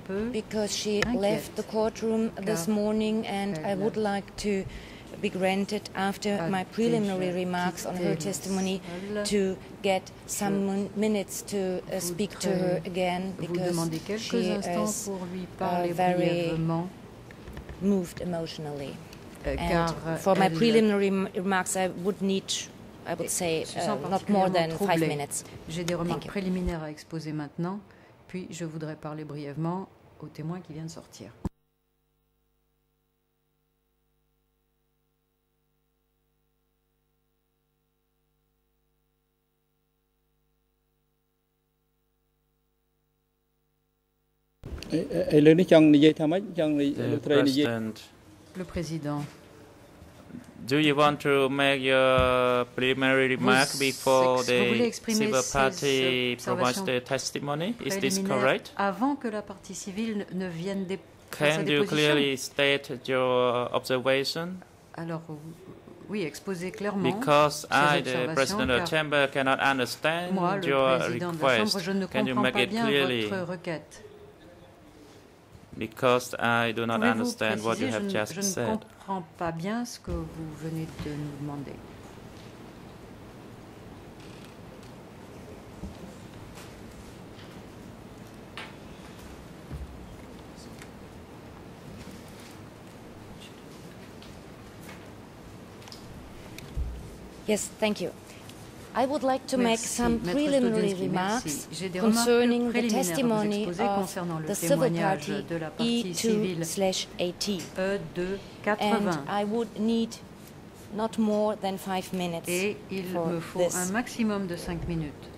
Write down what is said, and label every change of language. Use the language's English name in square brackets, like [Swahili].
[English] because she left the courtroom this morning, and I would like to be granted, after my preliminary remarks on her testimony, to get some minutes to speak to her again, because she is very moved emotionally. And for my preliminary remarks, I would need, I would say, not more than 5 minutes. [French] J'ai des remarques préliminaires à exposer maintenant, puis je voudrais parler brièvement au témoin qui vient de sortir. Le président. [English] Do you want to make your preliminary remark before the civil party provides the testimony? Is this correct? [French] Avant que la partie civile ne vienne des [English] Can you clearly state your observation? [French] Alors, oui, exposer clairement. [English] Because I, the president of the chamber, cannot understand your request. Can you make it clearly? [French] Votre requête? [English] Because I do not understand what you have just said. [French] Je ne comprends pas bien ce que vous venez de nous demander. [English] Yes, thank you. I would like to make some preliminary remarks concerning the testimony of the civil party E2/80. And I would need not more than 5 minutes. [French] Et il me faut un maximum de 5 minutes.